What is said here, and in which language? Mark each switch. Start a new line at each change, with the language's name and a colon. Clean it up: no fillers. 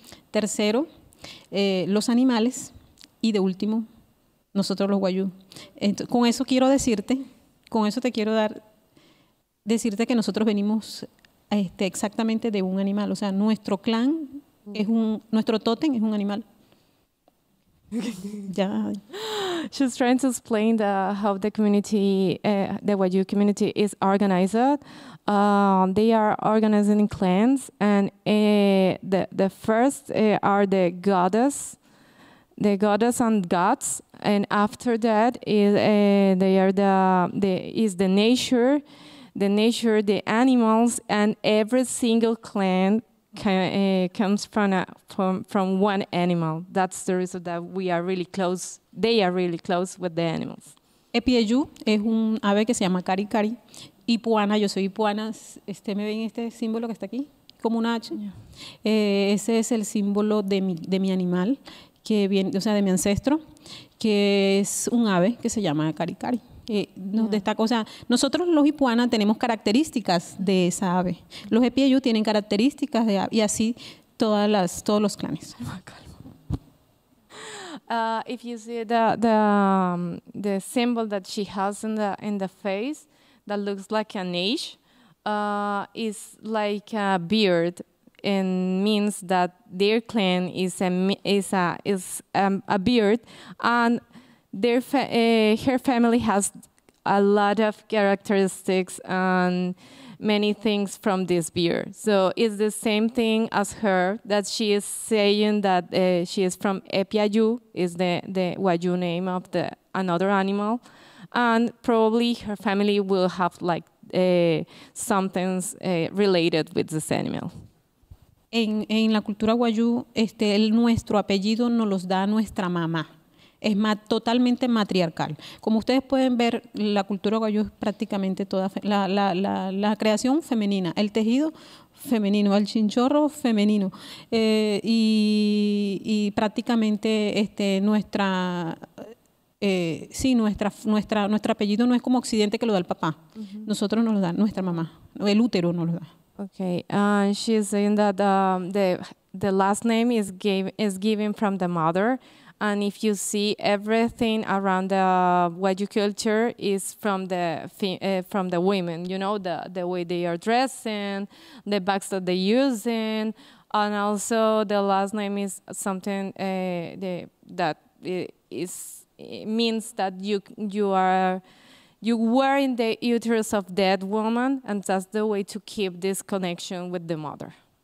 Spanish: Tercero, los animales. Y de último, nosotros los Wayuu. Entonces, con eso te quiero decirte que nosotros venimos exactamente de un animal. O sea, nuestro clan, nuestro tótem es un animal.
English: Yeah, she's trying to explain how the community, the Wayuu community, is organized. They are organized in clans, and the first are the goddess and gods, and after that is the nature, the animals, and every single clan comes from one animal. That's the reason that we are really close. They are really close with the animals.
Spanish: Epiyú es un ave que se llama cari cari. Ipuana, yo soy ipuana. ¿Me ven este símbolo que está aquí? Como una H. Ese es el símbolo de mi animal, que viene, o sea, de mi ancestro, que es un ave que se llama cari cari. Nos destaca, o sea, nosotros los ipuana tenemos características de esa ave. Los Epiyú tienen características de ave, y así todos los clanes.
English: If you see the symbol that she has in the face, that looks like an H, is like a beard, and means that their clan is a beard, and her family has a lot of characteristics and many things from this beer. So it's the same thing as her, that she is saying that she is from Epiyú, is the Wayuu name of the another animal. And probably her family will have like something related with this animal.
Spanish: En la cultura Wayuu, nuestro apellido nos los da nuestra mamá. Es totalmente matriarcal. Como ustedes pueden ver, la cultura Wayuu es prácticamente toda la creación femenina, el tejido femenino, el chinchorro femenino. Y prácticamente nuestro apellido no es como Occidente que lo da el papá. Uh-huh. Nosotros nos lo da nuestra mamá, el útero nos lo da.
English: Okay, she's saying that the last name is given from the mother. And if you see everything around the Wayuu culture is from the women, you know, the way they are dressing, the bags that they're using, and also the last name is something that is it means that you were in the uterus of dead woman, and that's the way to keep this connection with the mother.